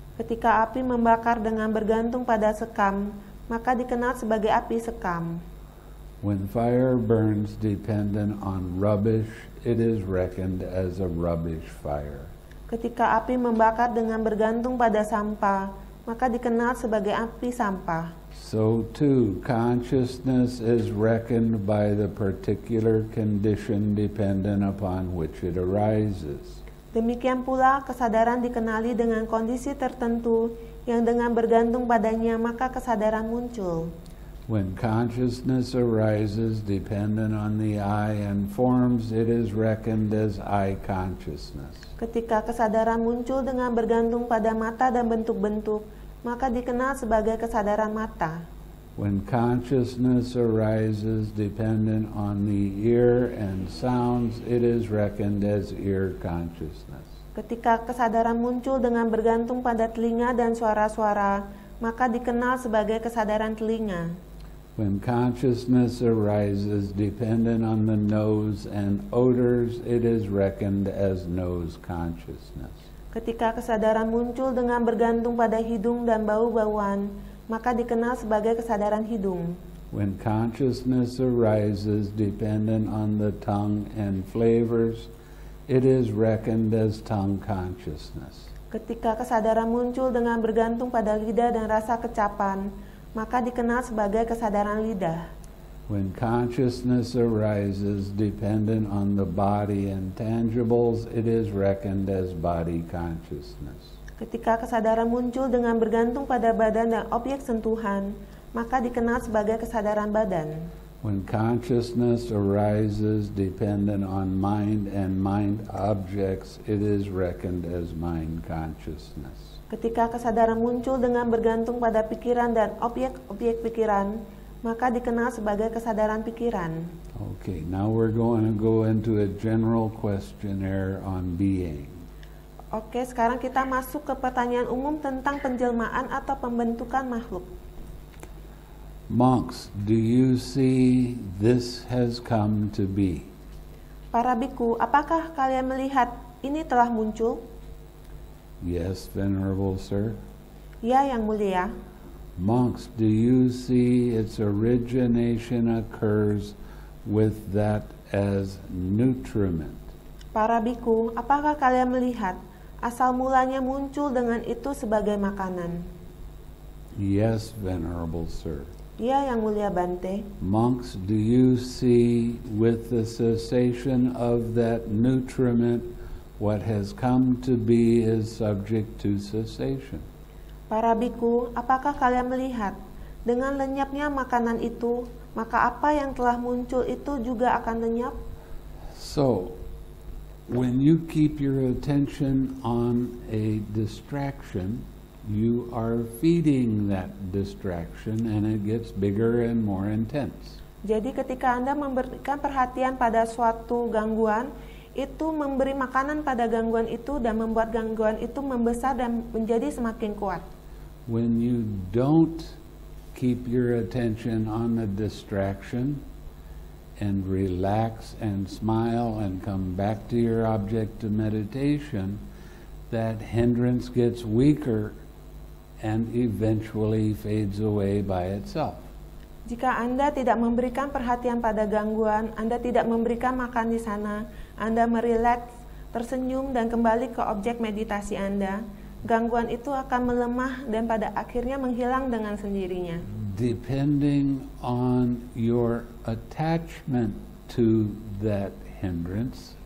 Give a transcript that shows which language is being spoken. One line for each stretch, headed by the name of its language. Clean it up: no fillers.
Indonesian: Ketika api membakar dengan bergantung pada sekam, maka dikenal sebagai api sekam.
English: When fire burns dependent on rubbish, it is reckoned as a rubbish fire.
Indonesian: Ketika api membakar dengan bergantung pada sampah, maka dikenal sebagai api sampah.
English: So too, consciousness is reckoned by the particular condition dependent upon which it arises.
Indonesian: Demikian pula, kesadaran dikenali dengan kondisi tertentu yang dengan bergantung padanya maka kesadaran muncul.
English: When consciousness arises dependent on the eye and forms, it is reckoned as eye consciousness.
Indonesian: Ketika kesadaran muncul dengan bergantung pada mata dan bentuk-bentuk, maka dikenal sebagai kesadaran mata.
English: When consciousness arises dependent on the ear and sounds, it is reckoned as ear consciousness.
Indonesian: Ketika kesadaran muncul dengan bergantung pada telinga dan suara-suara, maka dikenal sebagai kesadaran telinga.
English: When consciousness arises dependent on the nose and odors, it is reckoned as nose consciousness.
Indonesian: Ketika kesadaran muncul dengan bergantung pada hidung dan bau-bauan, maka dikenal sebagai kesadaran hidung.
English: When consciousness arises dependent on the tongue and flavors, it is reckoned as tongue consciousness.
Indonesian: Ketika kesadaran muncul dengan bergantung pada lidah dan rasa kecapan, maka dikenal sebagai kesadaran lidah.
English: When consciousness arises dependent on the body and tangibles, it is reckoned as body consciousness.
Indonesian: Ketika kesadaran muncul dengan bergantung pada badan dan objek sentuhan, maka dikenal sebagai kesadaran badan.
English: When consciousness arises dependent on mind and mind objects, it is reckoned as mind consciousness.
Indonesian: Ketika kesadaran muncul dengan bergantung pada pikiran dan objek-objek pikiran, maka dikenal sebagai kesadaran pikiran.
English: Okay, now we're going to go into a general questionnaire on being.
Indonesian: Okay, sekarang kita masuk ke pertanyaan umum tentang penjelmaan atau pembentukan makhluk.
English: Monks, do you see this has come to be?
Indonesian: Para bhikkhu, apakah kalian melihat ini telah muncul?
English: Yes, venerable sir.
Indonesian: Ya, yang mulia.
English: Monks, do you see its origination occurs with that as nutriment?
Indonesian: Para bhikkhu, apakah kalian melihat asal mulanya muncul dengan itu sebagai makanan?
English: Yes, venerable sir.
Indonesian: Ya, Yang Mulia Bante.
English: Monks, do you see with the cessation of that nutriment what has come to be is subject to cessation?
Indonesian: Para bhikkhu, apakah kalian melihat dengan lenyapnya makanan itu, maka apa yang telah muncul itu juga akan lenyap?
English: So, when you keep your attention on a distraction, you are feeding that distraction and it gets bigger and more intense.
Indonesian: Jadi ketika Anda memberikan perhatian pada suatu gangguan, itu memberi makanan pada gangguan itu dan membuat gangguan itu membesar dan menjadi semakin kuat.
English: When you don't keep your attention on the distraction and relax and smile and come back to your object to meditation, that hindrance gets weaker and eventually fades away by itself.
Indonesian: Jika Anda tidak memberikan perhatian pada gangguan, Anda tidak memberikan makan di sana, Anda merileks, tersenyum dan kembali ke objek meditasi Anda, gangguan itu akan melemah dan pada akhirnya menghilang dengan sendirinya.
English: Depending on your attachment to that hindrance,